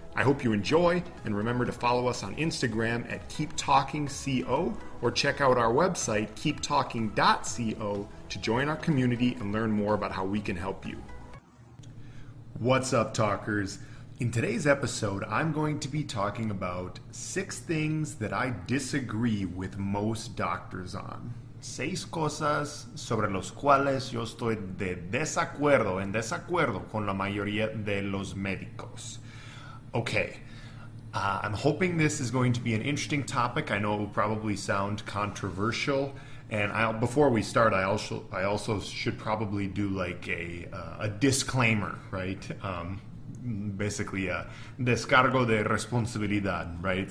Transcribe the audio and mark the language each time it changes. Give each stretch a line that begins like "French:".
English: I hope you enjoy, and remember to follow us on Instagram at KeepTalkingCO, or check out our website, KeepTalking.co, to join our community and learn more about how we can help you. What's up, talkers? In today's episode, I'm going to be talking about six things that I disagree with most doctors on.
Spanish: Seis cosas sobre los cuales yo estoy de desacuerdo, en desacuerdo con la mayoría de los médicos.
English: Okay, I'm hoping this is going to be an interesting topic. I know it will probably sound controversial. And before we start, I also should probably do like a disclaimer, right? Basically, a
Spanish: descargo de responsabilidad,
English: right?